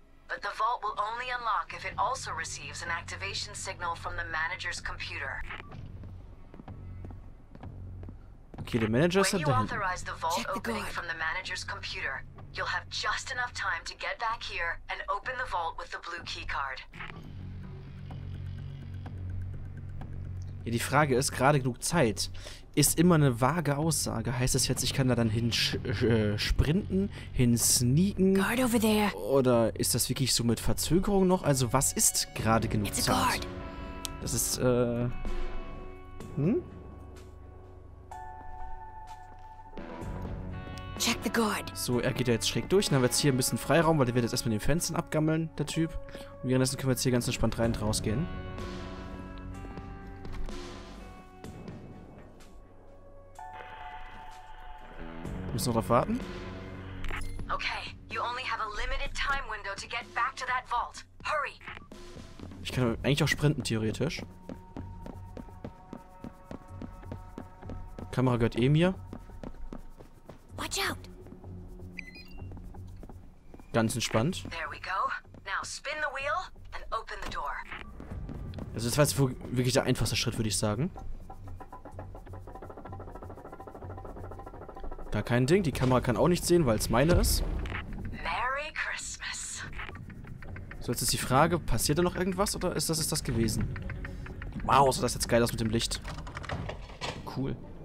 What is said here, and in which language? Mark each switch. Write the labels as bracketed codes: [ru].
[en] But the vault will only unlock if it also receives an activation signal from the manager's computer. [de] Okay, der Manager ist da. [en] Authorize the vault opening from the manager's computer. You'll have just enough time to get back here and open the vault with the blue key card. [de] Ja, die Frage ist, gerade genug Zeit ist immer eine vage Aussage. Heißt das jetzt, ich kann da dann hin sprinten, hin sneaken? [en] Guard over there. [de] Oder ist das wirklich so mit Verzögerung noch? Also, was ist gerade genug [en] It's [de] Zeit? [en] A guard. [de] Das ist [en] Check the guard. [de] So, er geht ja jetzt schräg durch. Dann haben wir jetzt hier ein bisschen Freiraum, weil der wird jetzt erstmal den Fenstern abgammeln, der Typ. Und währenddessen können wir jetzt hier ganz entspannt rein und rausgehen. Wir müssen noch drauf warten. [en] Okay, you only have a limited time window to get back to that vault. Hurry! [de] Ich kann eigentlich auch sprinten, theoretisch. Die Kamera gehört eh mir. [en] Watch out. [de] Ganz entspannt. [en] There we go. Now spin the wheel and open the door. [de] Also das war jetzt wirklich der einfachste Schritt, würde ich sagen. Gar kein Ding. Die Kamera kann auch nichts sehen, weil es meine ist. [en] Merry Christmas. [de] So, jetzt ist die Frage, passiert da noch irgendwas oder ist das das gewesen? Wow, sah das jetzt geil aus mit dem Licht. Cool.